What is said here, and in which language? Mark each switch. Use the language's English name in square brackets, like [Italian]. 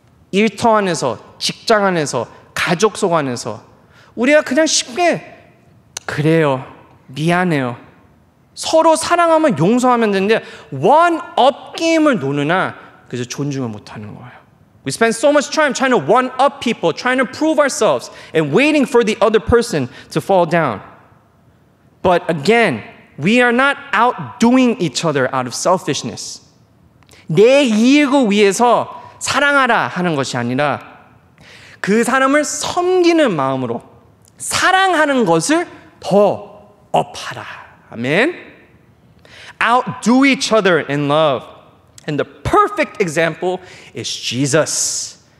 [Korean] 일터 안에서, 직장 안에서, 가족 속 안에서 우리가 그냥 쉽게 그래요, 미안해요. 서로 사랑하면 용서하면 되는데 one-up 게임을 노느나 그래서 존중을 못하는 거예요. [English] We spend so much time trying to one-up people, trying to prove ourselves and waiting for the other person to fall down. But again, we are not outdoing each other out of selfishness. [Korean] 내 이익을 위해서 사랑하라 하는 것이 아니라 그 사람을 섬기는 마음으로 사랑하는 것을 더 업하라. [English] Amen. Outdo each other in love. And the perfect example is Jesus.